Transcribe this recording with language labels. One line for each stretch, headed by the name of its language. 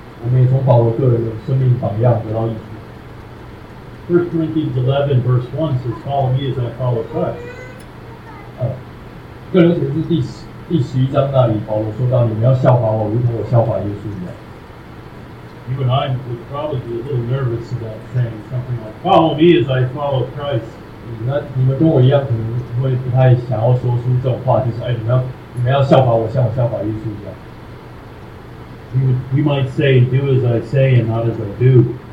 Chinese: 我们也从保罗个人的生命榜样得到益处。
English: 1 Corinthians 11, verse 1 says, "Follow me as I follow Christ."
Chinese: 个人写的是第四。第十一章那里，保罗说到：“你们要效法我，如同我效法耶稣一样。”
English: You and I would probably be a little nervous about saying something like "Follow me as I follow Christ."
Chinese: 那你们跟我一样，可能会不太想要说出这种话，就是：“哎，你们要效法我，像我效法耶稣一样。”
English: We might say, "Do as I say and not as I do."